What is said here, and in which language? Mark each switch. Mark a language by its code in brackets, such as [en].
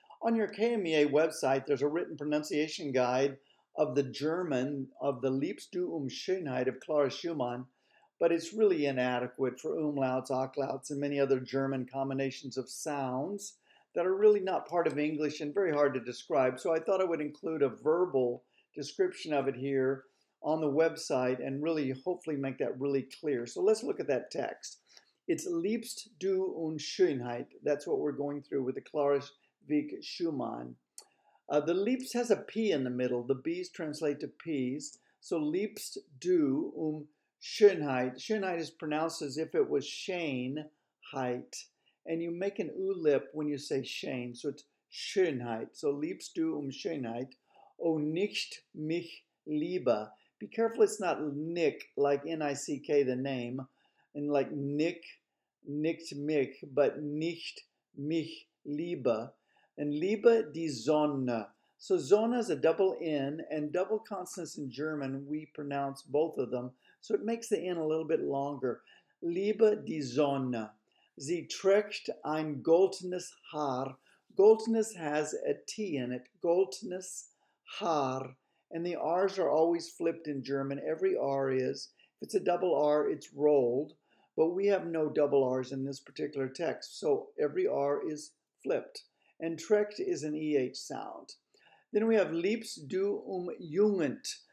[en] On your KMEA website, there's a written pronunciation guide of the German of the Liebst du Schönheit of Clara Schumann, but it's really inadequate for umlauts, ochlauts, and many other German combinations of sounds that are really not part of English and very hard to describe. So I thought I would include a verbal description of it here on the website and really hopefully make that really clear. So let's look at that text. It's Liebst du und Schönheit. That's what we're going through with the Clara Wieck Schumann. The Liebst has a P in the middle. The B's translate to P's. So Liebst du und Schönheit. Schönheit is pronounced as if it was Shane Height. And you make an ooh lip when you say Shane. So it's Schönheit. So Liebst du und Schönheit. [de] O nicht mich liebe. [en] Be careful it's not Nick, like N-I-C-K, the name, and like Nick, nicht mich, but [de] nicht mich liebe. And liebe die Sonne. [en] So Sonne is a double N, and double consonants in German, we pronounce both of them, so it makes the N a little bit longer. [de] Liebe die Sonne. Sie trägt ein goldenes Haar. [en] Goldenes has a T in it. Goldenes Haar. And the R's are always flipped in German. Every R is. If it's a double R, it's rolled. But we have no double R's in this particular text. So every R is flipped. And trägt is an EH sound. Then we have Liebst du Jugend.